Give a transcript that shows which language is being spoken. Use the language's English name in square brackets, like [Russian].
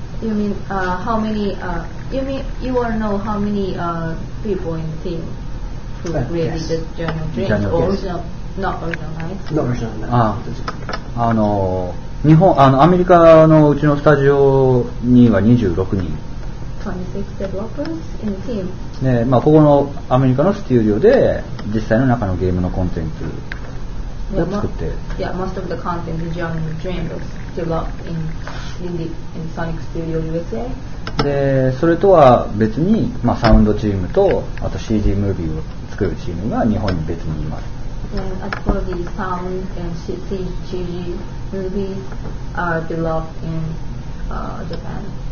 [English] You mean how many you mean you want to know how many people in the team who created the Journey of Dream? Not original. [Japanese] ああ、日本アメリカのうちのスタジオには26人。 [English] 26 developers in the team. [Japanese] ね、まあここのアメリカのスタジオで実際の中のゲームのコンテンツを作って。 [English] Yeah, most of the content in Journey of Dream was developed in Sonic Studio USA. [Japanese] でそれとは別に、まあ、サウンドチームとあと CG ムービーを作るチームが日本に別にいます。 [English] And as for the sound and CG movies are developed in Japan.